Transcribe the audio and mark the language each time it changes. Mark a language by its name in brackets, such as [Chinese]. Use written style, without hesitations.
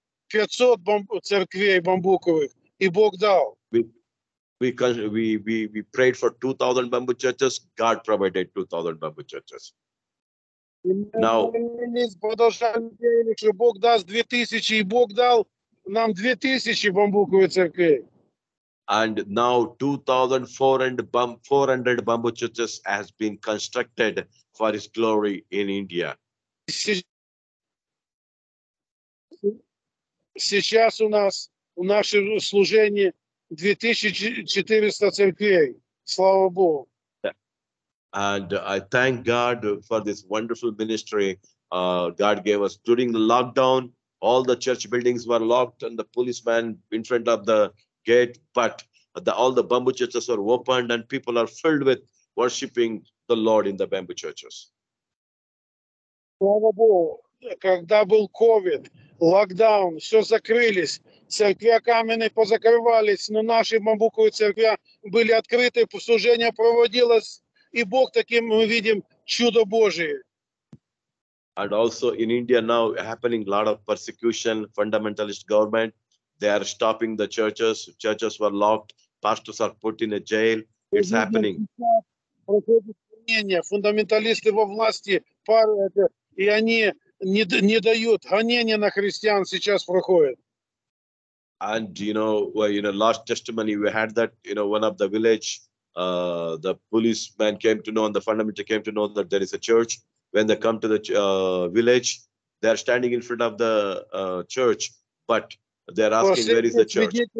[Russian] 500 bamboo церквей бамбуковых, и Бог дал. [English] We prayed for 2,000 bamboo churches. God provided 2,000 bamboo churches. Now. [Russian] Бог даст 2,000, и Бог дал нам 2,000 бамбуковых церквей. [English] And now 2,400 bamboo churches has been constructed for His glory in India. [Russian] Сейчас у нас в нашем служении 2,400 церквей. Слава Богу. [English] And I thank God for this wonderful ministry God gave us during the lockdown. All the church buildings were locked, and the policeman in front of the gate, but all the bamboo churches are opened and people are filled with worshiping the Lord in the bamboo churches. [Russian] Слава Богу, когда был COVID, локдаун, все закрылись, церкви каменные позакрывались, но наши бамбуковые церкви были открыты, служение проводилось, и Бог таким мы видим чудо Божие. [English] And also in India now happening a lot of persecution, fundamentalist government. They are stopping the churches. Churches were locked. Pastors are put in a jail. It's happening. [Russian] Фундаменталисты во власти, и они не дают гонения на христиан сейчас проходят. [English] And you know, well, in a last testimony, we had that you know, one of the village, the policeman came to know, and the fundamentalist came to know that there is a church. When they come to the village, they are standing in front of the church, but they're asking, where is the church?